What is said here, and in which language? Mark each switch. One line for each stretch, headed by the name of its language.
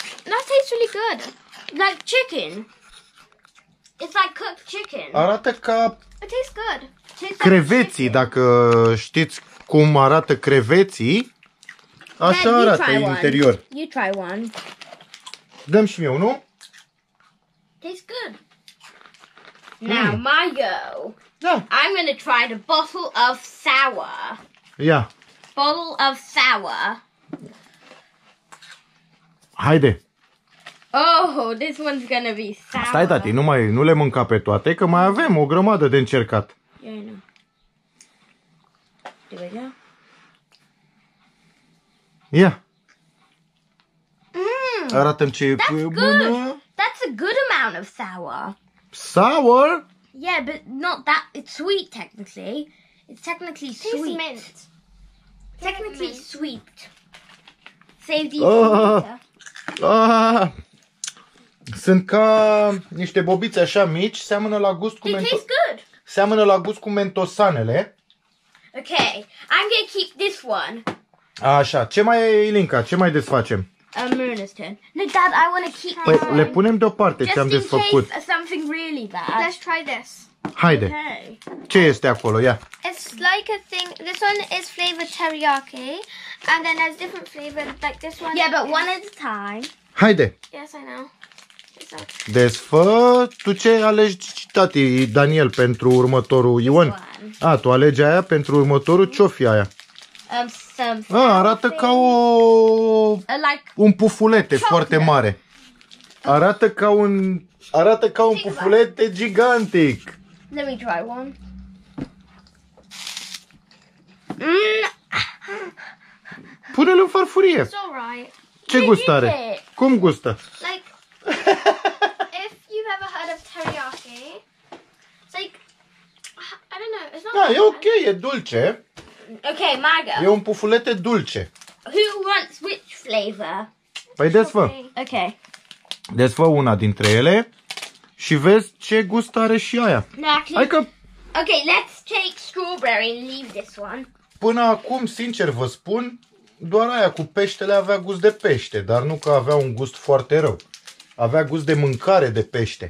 English: That tastes really good. Like chicken. It's like cooked chicken.
Romanian: Arată ca...
English: It tastes good.
Romanian: Creveții, dacă știți cum arată creveții. Așa arată în interior.
English: You try one.
Romanian: Dăm și mie unul.
English: Tastes good. Now, my go.
Romanian: Da.
English: I'm going to try the bottle of sour.
Romanian: Ia.
English: Bottle of sour.
Romanian: Haide.
English: Oh, this one's going to be sour.
Romanian: Stai, tati, nu le mânca pe toate, că mai avem o grămadă de încercat.
English: Yeah, I know. Do we go?
Romanian: Ia.
English: Yeah.
Romanian: Arată-mi ce
English: That's
Romanian: e bună.
English: That's a good amount of sour. Sour? Yeah, but not that. It's sweet, technically. It's technically tastes sweet. Mint. Technically mint. Sweet. Save the eater.
Romanian: Sunt ca niște bobițe așa mici, seamănă la gust cu
English: mentos. Tastes good.
Romanian: Seamănă la gust cu mentosanele.
English: Okay, I'm gonna keep this one.
Romanian: Așa, ce mai e, Ilinca? Ce mai desfacem?
English: Moon's turn. No, Dad, I want to keep.
Romanian: Păi, le punem deoparte ce am desfăcut.
English: Just in case something really bad. Let's try this.
Romanian: Haide.
English: Okay.
Romanian: Ce este acolo? Ia.
English: It's like a thing. This one is flavored teriyaki, and then there's different flavors like this one. Yeah, but one at a time. Haide. Yes, I know.
Romanian: Desfă, tu ce alegi, tati, Daniel, pentru următorul Ion? A, tu alegi aia pentru următorul, ce-o fi aia? A, arată ca o... un pufulete foarte mare. Arată ca un... arată ca un pufulete gigantic.
English: Let me try one.
Romanian: Pune-l în farfurie. Ce gust are? Cum gustă?
English: If you've ever heard of teriyaki, it's like, I don't know, it's not.
Romanian: Da, e ok, e dulce.
English: Okay, Maga.
Romanian: E un pufulete dulce.
English: Who wants which flavor?
Romanian: Păi desfă.
English: Okay.
Romanian: Desfă una dintre ele și vezi ce gust are și aia.
English: Exactly.
Romanian: Hai că...
English: Okay, let's take strawberry and leave this one.
Romanian: Până acum, sincer vă spun, doar aia cu peștele avea gust de pește, dar nu că avea un gust foarte rău. Avea gust de mâncare de pește.